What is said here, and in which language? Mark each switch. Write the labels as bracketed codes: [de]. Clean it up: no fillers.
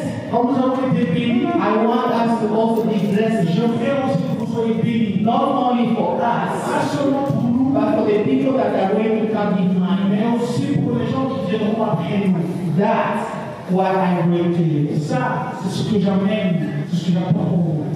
[fr] comme nous avons été bénis, [en] I want us to also be blessed. [fr] Je veux aussi que vous soyez bénis, [en] not only for us, [fr] pas seulement pour nous, [en] but for the people that are going to come in mind, [fr] mais aussi pour les gens qui viendront après nous. [en] That's what I bring to you. [fr] Ça, c'est ce que j'amène, c'est ce que j'apporte pour vous.